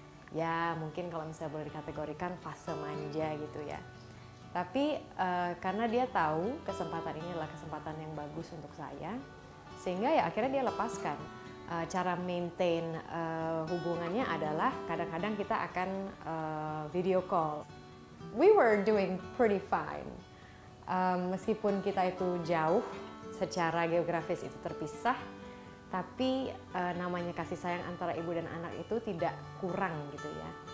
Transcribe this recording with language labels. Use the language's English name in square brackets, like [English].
[Indonesian] Ya, mungkin kalau misalnya boleh dikategorikan fase manja gitu ya. Tapi karena dia tahu kesempatan ini adalah kesempatan yang bagus untuk saya, sehingga ya akhirnya dia lepaskan. Cara maintain hubungannya adalah kadang-kadang kita akan video call. [English] We were doing pretty fine. [Indonesian] Meskipun kita itu jauh, secara geografis itu terpisah, tapi namanya kasih sayang antara ibu dan anak itu tidak kurang gitu ya.